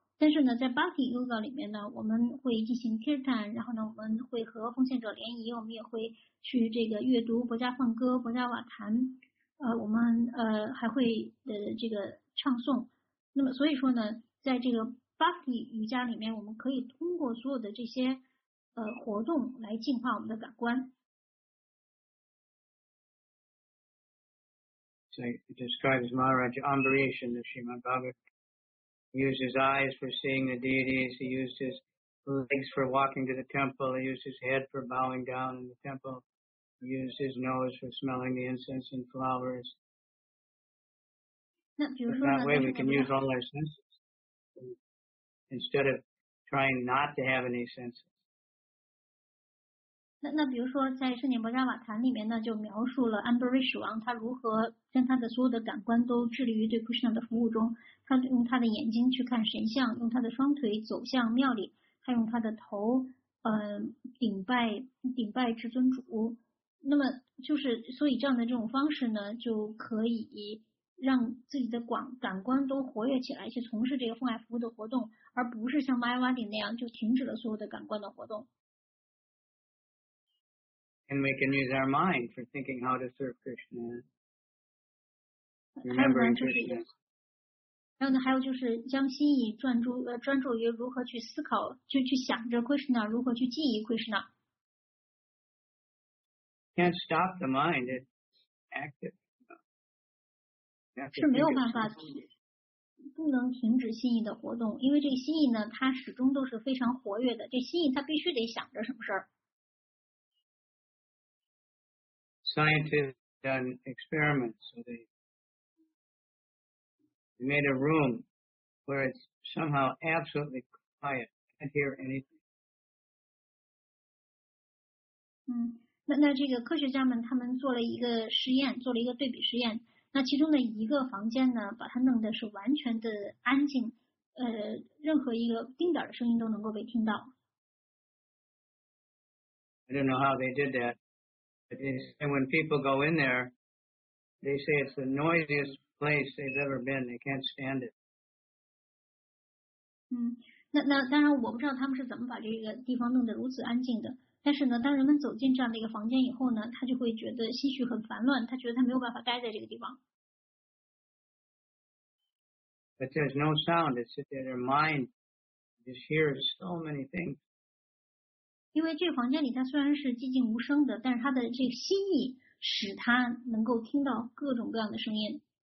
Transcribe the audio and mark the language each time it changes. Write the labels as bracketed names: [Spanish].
[Chinese] 但是呢，在 Bhakti Yoga 里面呢，我们会进行 Kirtan， 然后呢，我们会和奉献者联谊，我们也会去这个阅读薄伽梵歌、薄伽瓦坛，我们还会这个唱诵。那么所以说呢，在这个Bhakti 瑜伽里面，我们可以通过所有的这些活动来净化我们的感官。 [English] So it describes Maharaj Ambarish in the Srimad Bhagavatam. He used his eyes for seeing the deities. He used his legs for walking to the temple. He used his head for bowing down in the temple. He used his nose for smelling the incense and flowers. [Chinese] 那比如说呢 [English] That way we can use all our senses. Instead of trying not to have any senses. [Chinese] 那比如说在圣典薄伽瓦坛里面呢，就描述了 Ambarish 王他如何将他的所有的感官都致力于对 Krishna 的服务中。他用他的眼睛去看神像，用他的双腿走向庙里，他用他的头顶拜至尊主。那么就是所以这样的这种方式呢，就可以让自己的感官都活跃起来，去从事这个奉爱服务的活动，而不是像 Mayavadi 那样就停止了所有的感官的活动。 [English] And we can use our mind for thinking how to serve Krishna, remembering Krishna. [Chinese] 然后呢，还有就是将心意专注于如何去思考，去想着 Krishna， 如何去记忆 Krishna。 [English] Can't stop the mind; it's active. [Chinese] 是没有办法不能停止心意的活动，因为这心意呢，它始终都是非常活跃的。这心意它必须得想着什么事儿。 [English] Scientists done experiments, so they made a room where it's somehow absolutely quiet, can't hear anything. [Chinese] 那这个科学家们他们做了一个实验，做了一个对比实验。那其中的一个房间呢，把它弄得是完全的安静，任何一个丁点的声音都能够被听到。 [English] I don't know how they did that. And when people go in there, they say it's the noisiest place they've ever been. They can't stand it. [Chinese] 那当然我不知道他们是怎么把这个地方弄得如此安静的。但是呢，当人们走进这样的一个房间以后呢，他就会觉得心绪很烦乱，他觉得他没有办法待在这个地方。 [English] But there's no sound. It's just their mind just hears so many things. [Chinese] 因为这个房间里它虽然是寂静无声的，但是他的这个心意使他能够听到各种各样的声音。